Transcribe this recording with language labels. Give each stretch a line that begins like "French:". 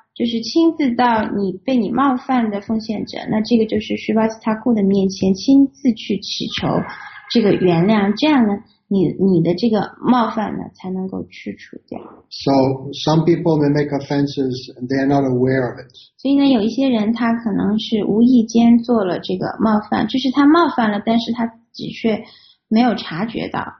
Chinese: 就是亲自到你被你冒犯的奉献者，那这个就是 Shivastaku 的面前亲自去祈求这个原谅，这样呢你的这个冒犯呢才能够去除掉。
English: So some people may make offenses and they are not aware of it.
Chinese: 所以呢有一些人他可能是无意间做了这个冒犯，就是他冒犯了，但是他自己却没有察觉到。